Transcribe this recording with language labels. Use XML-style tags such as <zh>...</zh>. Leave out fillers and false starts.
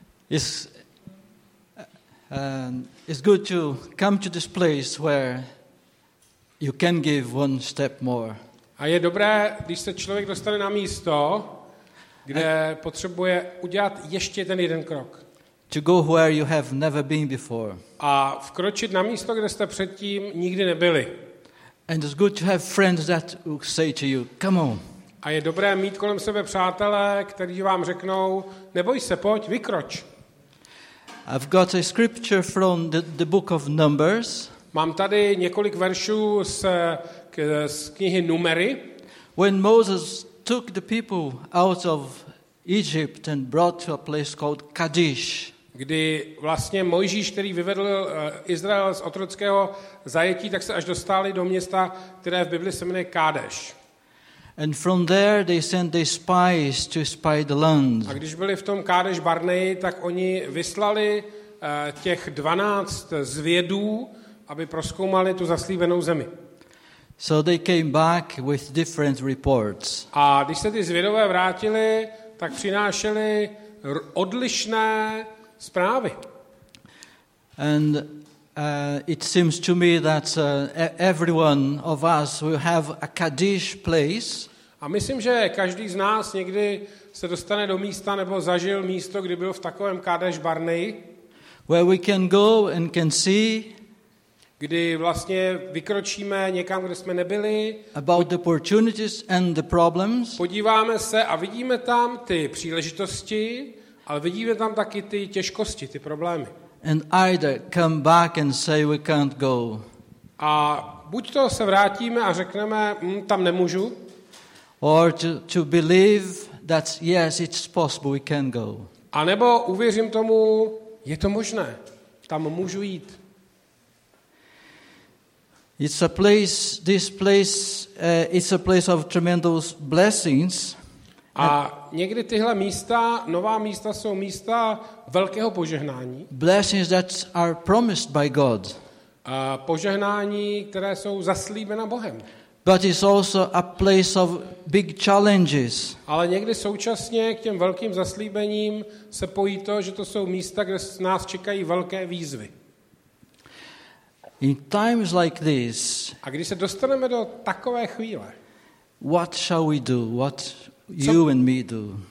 <en>It's good to come to this place where you can give one step more.</en> <cs>A je dobré, když se člověk dostane na místo, kde potřebuje udělat ještě ten jeden krok.</cs> <en>To go where you have never been before.</en> <cs>A vkročit na místo, kde jste předtím nikdy nebyli.</cs> <en>And it's good to have friends that will say to you, come on.</en> <cs>A je dobré mít kolem sebe přátelé, kteří vám řeknou, neboj se, pojď, vykroč.</cs> <en>I've got a scripture from the book of Numbers.</en> <cs>Mám tady několik veršů z knihy Numery.</cs> <en>When Moses took the people out of Egypt and brought to a place called Kadesh.</en> <cs>Kdy vlastně Mojžíš, který vyvedl Izrael z otrockého zajetí, tak se až dostali do města, které v Bibli se jmenuje Kadesh.</cs> <en>And from there they sent the spies to spy the land.</en> <cs>A když byli v tom Kadesh Barnei, tak oni vyslali těch 12 zvědů, aby prozkoumali tu zaslíbenou zemi.</cs> <en>So they came back with different reports.</en> <cs>A když se ty zvědové vrátili, tak přinášeli odlišné zprávy.</cs> <en>And it seems to me that everyone of us will have a Kadesh place.</en> <cs>A myslím, že každý z nás někdy se dostane do místa nebo zažil místo, kdy byl v takovém Kadesh Barnei.</cs> <en>Where we can go and can see.</en> <cs>Kdy vlastně vykročíme někam, kde jsme nebyli.</cs> <en>About the opportunities and the problems.</en> <cs>Podíváme se a vidíme tam ty příležitosti, ale vidíme tam taky ty těžkosti, ty problémy.</cs> <en>And either come back and say we can't go.</en> <cs>A buď to se vrátíme a řekneme, tam nemůžu.</cs> <en>Or to believe that yes, it's possible, we can go.</en> <cs>A nebo uvěřím tomu, je to možné, tam můžu jít.</cs> <en>It's a place, this place, it's a place of tremendous blessings.</en> <cs>A někdy tyhle místa, nová místa, jsou místa velkého požehnání.</cs> <en>Blessings that are promised by God.</en> <cs>A požehnání, které jsou zaslíbena Bohem.</cs> <en>But it's also a place of big challenges.</en> <cs>Ale někdy současně k těm velkým zaslíbením se pojí to, že to jsou místa, kde nás čekají velké výzvy.</cs> <en>In times like this.</en> <cs>A když se dostaneme do takové chvíle.</cs> <en>What shall we do? What you and me do.</en>